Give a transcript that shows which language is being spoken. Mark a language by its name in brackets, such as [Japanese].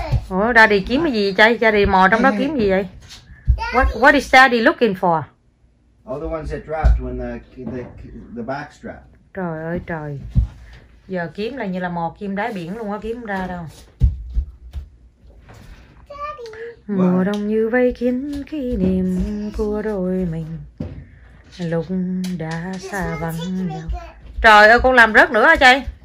[Vietnamese] Ủa ra đi kiếm cái gì vậy cha? Cha đi mò trong đó kiếm gì vậy? [English] What is daddy looking for? All the ones that dropped when the box dropped. [Vietnamese] Trời ơi trời. Giờ kiếm là như là mò kim đáy biển luôn á, kiếm ra đâu. Mùa [English] Daddy. [Vietnamese] đông như vây kín kỷ niệm của đôi mình lúc đã xa vắng nhau. Trời ơi con làm rớt nữa hả chị?